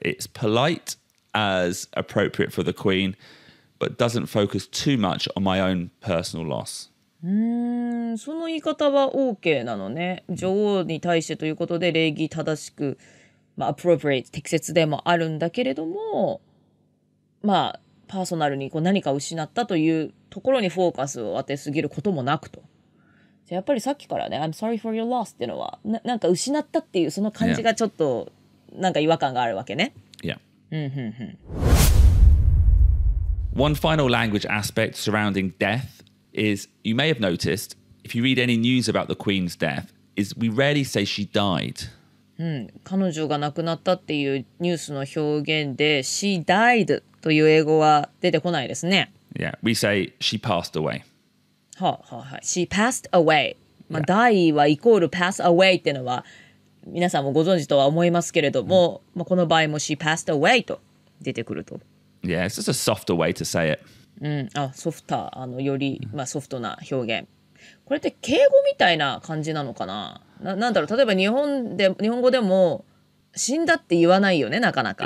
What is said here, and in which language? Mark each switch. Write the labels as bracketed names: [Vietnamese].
[English] It's polite as appropriate for the Queen, but doesn't focus too much on my own personal loss. [Japanese] その言い方は OK なのね。女王に対してということで礼儀正しく、まあ、appropriate、適切でもあるんだけれども、まあ、パーソナルにこう何か失ったというところにフォーカスを当てすぎることもなくと。じゃあやっぱりさっきからね、 [English] I'm sorry for your loss [Japanese] っていうのは、なんか失ったっていうその感じがちょっとなんか違和感があるわけね。 [English] Yeah. [Japanese] うんうんうん。 [English] One final language aspect surrounding death is, you may have noticed, if you read any news about the Queen's death, is we rarely say she died. [Japanese] 彼女が亡くなったっていうニュースの表現で [English] She died [Japanese] という英語は出てこないですね。 [English] Yeah, we say she passed away. [Japanese] はあ、はあ、はい。 [English] She passed away. [Japanese] まあ、yeah. die はイコール pass away っていうのは皆さんもご存知とは思いますけれども、まあ、この場合も She passed away と出てくると。 [English] Yeah, it's just a softer way to say it. [Japanese] あ、ソフター、あのより、まあ、ソフトな表現。これって敬語みたいな感じなのかな？なんだろう、例えば日本語でも死んだって言わないよね、なかなか。